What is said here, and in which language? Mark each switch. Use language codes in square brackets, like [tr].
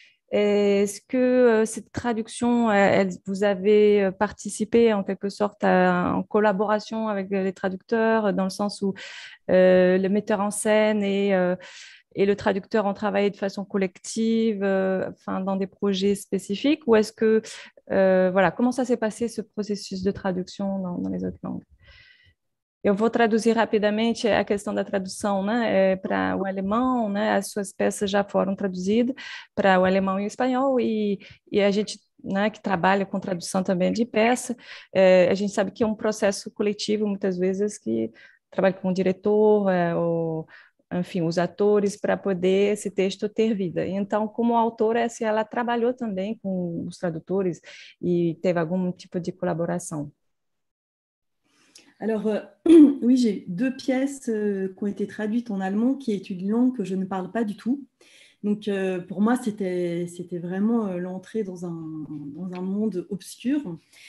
[fr] Est-ce que cette traduction, vous avez participé en quelque sorte en collaboration avec les traducteurs, dans le sens où le metteur en scène et le traducteur ont travaillé de façon collective, enfin dans des projets spécifiques, ou est-ce que voilà, comment ça s'est passé, ce processus de traduction dans les autres langues? [pt] Eu vou traduzir rapidamente a questão da tradução, né, para o alemão, né, as suas peças já foram traduzidas para o alemão e o espanhol, e a gente, né, que trabalha com tradução também de peça, a gente sabe que é um processo coletivo, muitas vezes, que trabalha com o diretor, ou, enfim, os atores, para poder esse texto ter vida. Então, como autora, assim, ela trabalhou também com os tradutores e teve algum tipo de colaboração. [fr] Alors, oui, j'ai deux pièces qui ont été traduites en allemand, qui est une langue que je ne parle pas du tout. Donc, pour moi, c'était vraiment l'entrée dans un monde obscur.